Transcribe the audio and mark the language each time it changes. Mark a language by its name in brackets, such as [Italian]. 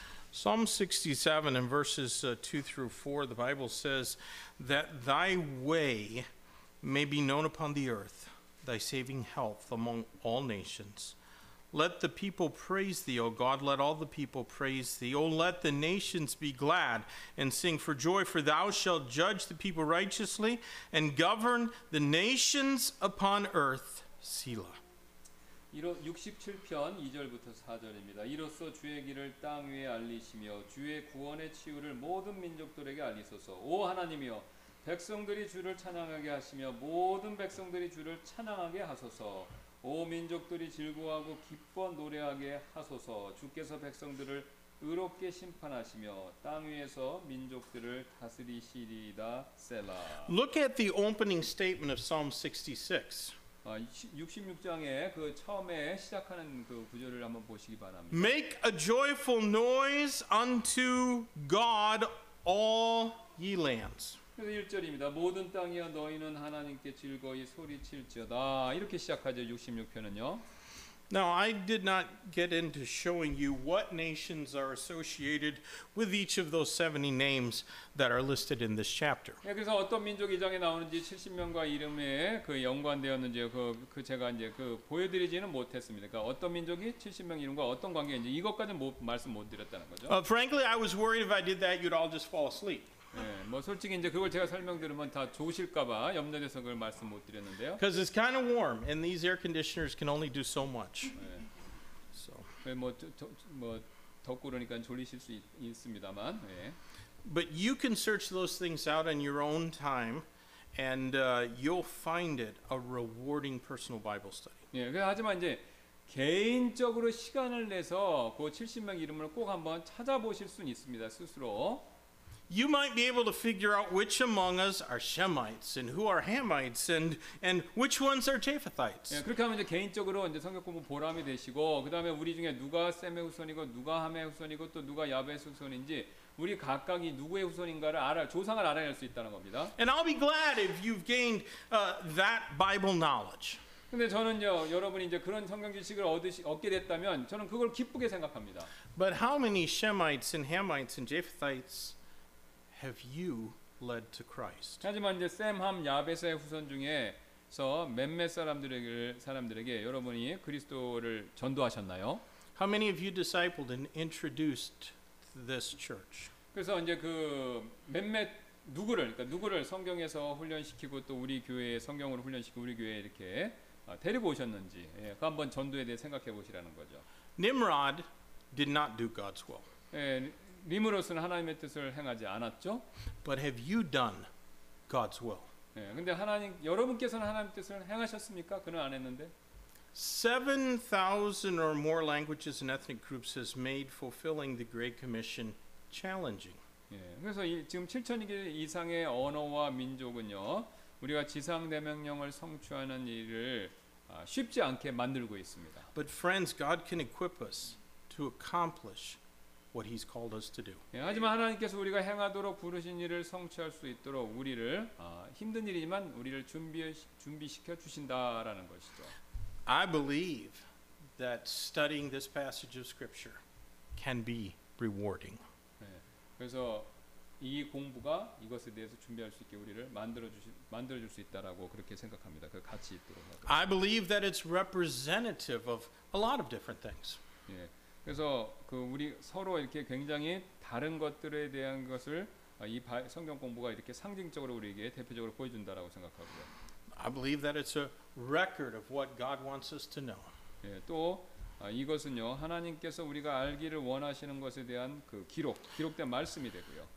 [English] Psalm 67 in verses 2 through 4, the Bible says that thy way may be known upon the earth, thy saving health among all nations. Let the people praise thee, O God, let all the people praise thee. O let the nations be glad and sing for joy, for thou shalt judge the people righteously and govern the nations upon earth. Selah. [Korean] 67편 2절부터 4절입니다. 이로써 주의 길을 땅 위에 알리시며 주의 구원의 치유를 모든 민족들에게 알리소서. 오 하나님이여 백성들이 주를 찬양하게 하시며 모든 백성들이 주를 찬양하게 하소서. 오 민족들이 즐거워하고 기뻐 노래하게 하소서. 주께서 백성들을 의롭게 심판하시며 땅 위에서 민족들을 다스리시리이다. 셀라. [English] Look at the opening statement of Psalm 66. [Korean] 66장의 그 처음에 시작하는 그 구절을 한번 보시기 바랍니다. [English] Make a joyful noise unto God, all ye lands. [Korean] 1절입니다. 모든 땅이여 너희는 하나님께 즐거이 소리칠지어다. 이렇게 시작하죠. 66편은요. [English] Now I did not get into showing you what nations are associated with each of those 70 names that are listed in this chapter. [Korean] 예, 그래서 어떤 민족이 이 장에 나오는지 70명과 이름에 그 연관되었는지 그 제가 이제 그 보여드리지는 못했습니다. 그러니까 어떤 민족이 70명 이름과 어떤 관계인지 이것까지는 말씀 못 드렸다는 거죠. [English] Frankly, I was worried if I did that, you'd all just fall asleep. [Korean] 네, 뭐 솔직히 이제 그걸 제가 설명드리면 다 좋으실까봐 염려돼서 그걸 말씀 못 드렸는데요. [English] Because it's kind of warm, and these air conditioners can only do so much. 네. So. [Korean] 네, 뭐 덥고 그러니까 졸리실 수 있습니다만. 네. [English] But you can search those things out in your own time, and you'll find it a rewarding personal Bible study. [Korean] 네, 그래, 하지만 이제 개인적으로 시간을 내서 그 70명 이름을 꼭 한번 찾아보실 수는 있습니다, 스스로. [English] You might be able to figure out which among us are Shemites and who are Hamites and which ones are Japhethites. [Korean] 예, 그렇게 하면 이제 개인적으로 이제 성경 공부 보람이 되시고 그다음에 우리 중에 누가 셈의 후손이고 누가 함의 후손이고 또 누가 야벳의 후손인지 우리 각각이 누구의 후손인가를 조상을 알아낼 수 있다는 겁니다. [English] And I'll be glad if you've gained that Bible knowledge. [Korean] 근데 저는요, 여러분이 이제 그런 성경 지식을 얻게 됐다면 저는 그걸 기쁘게 생각합니다. [English] But how many Shemites and Hamites and Japhethites have you led to Christ? [Korean] 하지만 이제 셈, 함, 야벳의 후손 중에서 몇몇 사람들에게 여러분이 그리스도를 전도하셨나요? [English] How many of you discipled and introduced this church? [Korean] 그래서 이제 그 몇몇 누구를 성경에서 훈련시키고 또 우리 교회에 성경으로 훈련시키고 우리 교회에 이렇게 데리고 오셨는지 그 한번 전도에 대해 생각해 보시라는 거죠. [English] Nimrod did not do God's will. [Korean] 님으로서는 하나님의 뜻을 행하지 않았죠. [English] But have you done God's will? [Korean] 예, 근데 하나님 여러분께서는 하나님의 뜻을 행하셨습니까? 그는 안 했는데. [English] 7,000 or more languages and ethnic groups has made fulfilling the Great Commission challenging. [Korean] 예, 그래서 지금 7,000개 이상의 언어와 민족은요, 우리가 지상 대명령을 성취하는 일을 쉽지 않게 만들고 있습니다. [English] But friends, God can equip us to accomplish what he's called us to do. [Korean] 예, 하지만 하나님께서 우리가 행하도록 부르신 일을 성취할 수 있도록 우리를 힘든 일이지만 우리를 준비시켜 주신다라는 것이죠. [English] I believe that studying this passage of scripture can be rewarding. [Korean] 예, 그래서 이 공부가 이것에 대해서 준비할 수 있게 우리를 만들어 줄 수 있다라고 그렇게 생각합니다. 그 가치 있도록. [English] I believe that it's representative of a lot of different things. [Korean] 예. 그래서 그 우리 서로 이렇게 굉장히 다른 것들에 대한 것을 이 성경 공부가 이렇게 상징적으로 우리에게 대표적으로 보여준다라고 생각하고요. [English] I believe that it's a record of what God wants us to know. [Korean] 예, 또 이것은요 하나님께서 우리가 알기를 원하시는 것에 대한 그 기록된 말씀이 되고요.